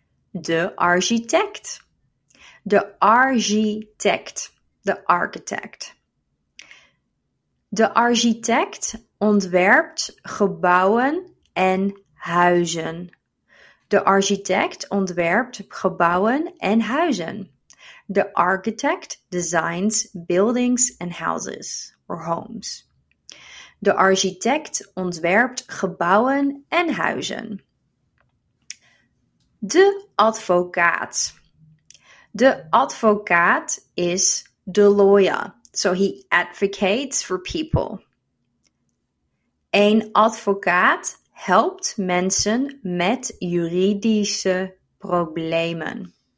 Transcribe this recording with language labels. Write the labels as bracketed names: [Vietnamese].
[Dutch] De architect. De architect. De architect. De architect ontwerpt gebouwen en huizen. De architect ontwerpt gebouwen en huizen. [English] The architect designs buildings and houses or homes. [Dutch] De architect ontwerpt gebouwen en huizen. De advocaat. De advocaat [English] is the lawyer. So he advocates for people. [Dutch] Een advocaat helpt mensen met juridische problemen.